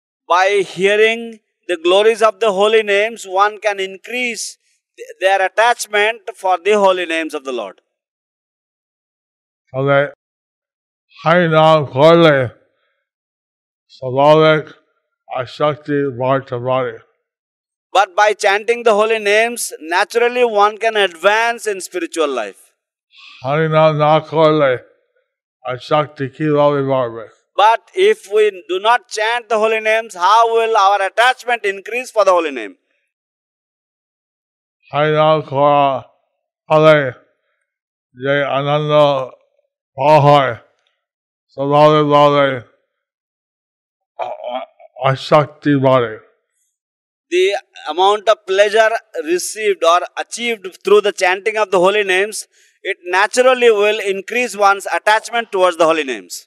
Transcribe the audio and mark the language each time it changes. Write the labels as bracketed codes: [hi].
[en] By hearing the glories of the holy names one can increase their attachment for the holy names of the Lord. [bn] তাহলে হরি নাম করলে স্বাভাবিক আসক্তি বাড়তে পারে। [en] But by chanting the holy names, naturally one can advance in spiritual life. [bn] Hari নাম না করলে আসক্তি কিভাবে বাড়বে? [en] But if we do not chant the holy names, how will our attachment increase for the holy name? [bn] Hari নাম করা ফলে যে আনন্দ পাওয়া হয় স্বভাবে আসক্তি বাড়ে। [en] The amount of pleasure received or achieved through the chanting of the holy names, it naturally will increase one's attachment towards the holy names.